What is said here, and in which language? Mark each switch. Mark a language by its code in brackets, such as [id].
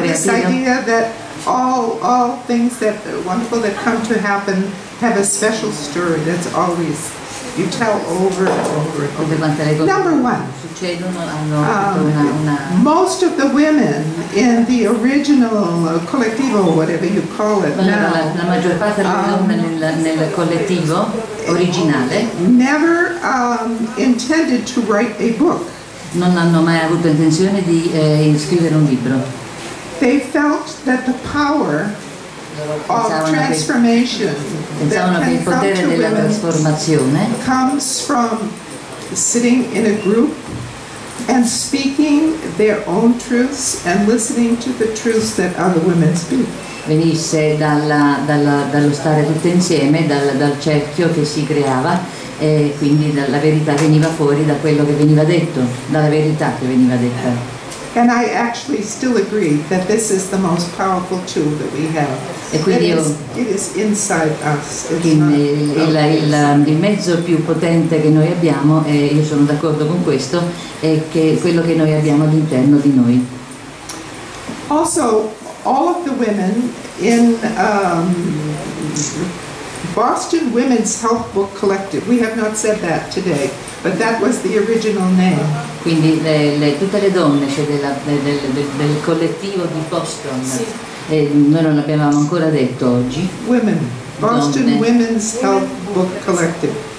[en] This idea that all things that wonderful that come to happen have a special story that's always you tell over and over and over. Number one. [it] succedono hanno una [en] most of the women in the original collettivo, whatever you call it, [it] allora, la maggior parte delle donne nel collettivo originale [en] never intended to write a book. [it] Non hanno mai avuto intenzione di scrivere un libro. [en] They felt that the power of transformation, [it] pensavano che il potere della trasformazione [en] comes from sitting in a group and speaking their own truths and listening to the truths that other women speak. [it] Venisse dallo stare tutte insieme, dal cerchio che si creava, e quindi la verità veniva fuori da quello che veniva detto, dalla verità che veniva detta. [en] And I actually still agree that this is the most powerful tool that we have. [it] E quindi [en] it is inside us. [it] Il mezzo più potente che noi abbiamo, e io sono d'accordo con questo, è che quello che noi abbiamo all'interno di noi. [en] Also, all of the women in Boston Women's Health Book Collective. We have not said that today, but that was the original name. [it] Quindi tutte le donne, cioè del collettivo di Boston, sì. Noi non l'abbiamo ancora detto oggi. [en] Women, Boston donne. Women's Health Book Collective.